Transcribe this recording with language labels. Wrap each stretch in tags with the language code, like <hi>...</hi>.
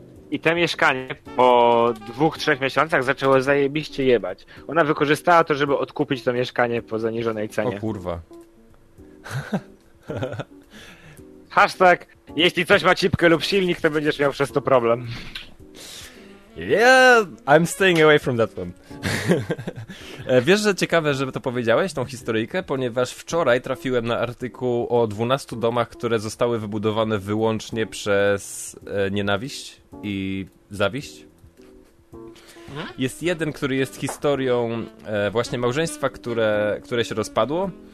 <pl>I te mieszkanie po 2-3 miesiącach zaczęło zajebiście jebać. Ona wykorzystała to, żeby odkupić to mieszkanie po zaniżonej cenie. O kurwa. Hashtag, jeśli coś ma cipkę lub silnik, to będziesz miał przez to problem.</pl> <en>Yeah, I'm staying away from that one.</en> <pl>Wiesz, że ciekawe, żeby to powiedziałeś, tą historyjkę, ponieważ wczoraj trafiłem na artykuł o 12 domach, które zostały wybudowane wyłącznie przez nienawiść i zawiść. Jest jeden, który jest historią właśnie małżeństwa, które się rozpadło.</pl>